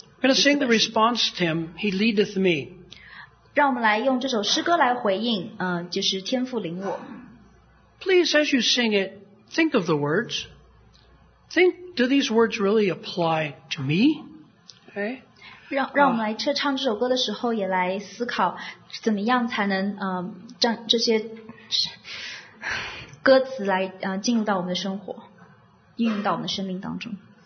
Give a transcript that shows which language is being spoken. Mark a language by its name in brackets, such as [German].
[English] I'm going to sing the response to him, He Leadeth Me. [Chinese] 让我们来用这首诗歌来回应，就是天父领我。 [English] Please, as you sing it, think of the words. Think, do these words really apply to me? Okay. [Chinese] 让我们来唱这首歌的时候，也来思考怎么样才能让这些歌词来进入到我们的生活，应用到我们的生命当中。